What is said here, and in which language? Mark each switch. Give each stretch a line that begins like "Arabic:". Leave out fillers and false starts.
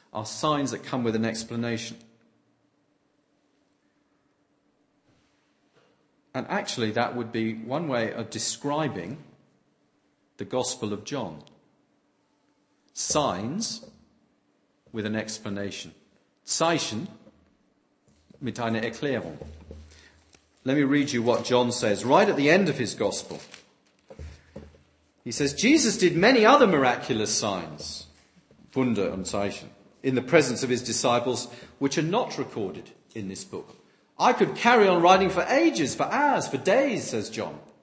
English: are signs that come with an explanation. And actually, that would be one way of describing the Gospel of John. Signs with an explanation.
German: Zeichen mit einer Erklärung.
English: Let me read you what John says right at the end of his Gospel. He says, Jesus did many other miraculous signs,
German: Wunder und Zeichen,
English: in the presence of his disciples, which are not recorded in this book. I could carry on writing for ages, for hours, for days, says John.